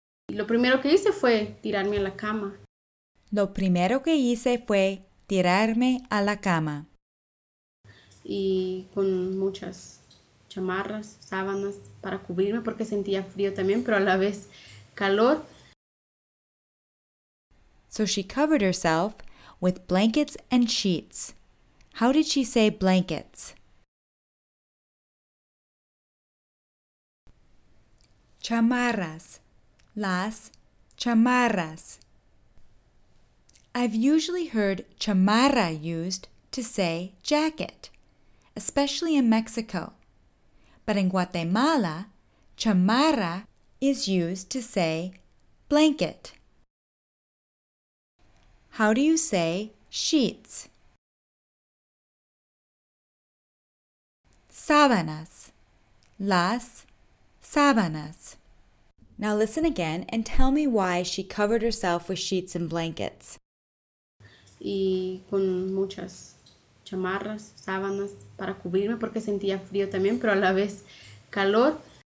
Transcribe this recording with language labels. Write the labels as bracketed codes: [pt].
[es] Lo primero que hice fue tirarme a la cama. Lo primero que hice fue tirarme a la cama. Y con muchas chamarras, sábanas para cubrirme porque sentía frío también, pero a la vez calor. [en] So she covered herself with blankets and sheets. How did she say blankets? [es] Chamarras. Las chamarras. [en] I've usually heard chamarra used to say jacket, especially in Mexico. But in Guatemala, chamarra is used to say blanket. How do you say sheets? [es] Sábanas. Las sábanas. [en] Now listen again and tell me why she covered herself with sheets and blankets. [es] Y con muchas chamarras, sábanas para cubrirme porque sentía frío también, pero a la vez calor.